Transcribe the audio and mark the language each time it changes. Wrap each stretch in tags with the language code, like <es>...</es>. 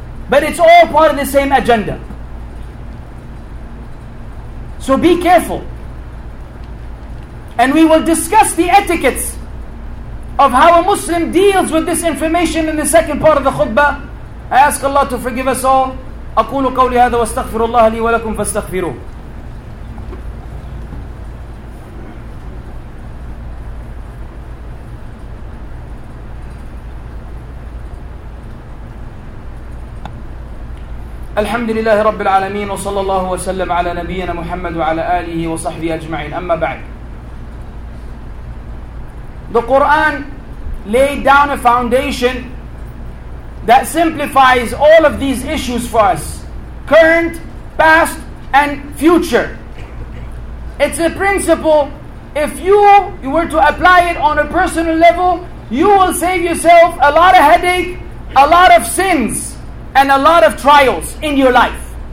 <en>But it's all part of the same agenda. So be careful. And we will discuss the etiquettes of how a Muslim deals with this information in the second part of the khutbah. I ask Allah to forgive us all.</en> <ar>أقول قولي هذا واستغفر الله لي ولكم فاستغفروه. الحمد لله رب العالمين وصلى الله وسلم على نبينا محمد وعلى آله وصحبه أجمعين. أما بعد.</ar> <en>The Quran laid down a foundation that simplifies all of these issues for us, current, past, and future. It's a principle. If you were to apply it on a personal level, you will save yourself a lot of headache, a lot of sins, and a lot of trials in your life.</en>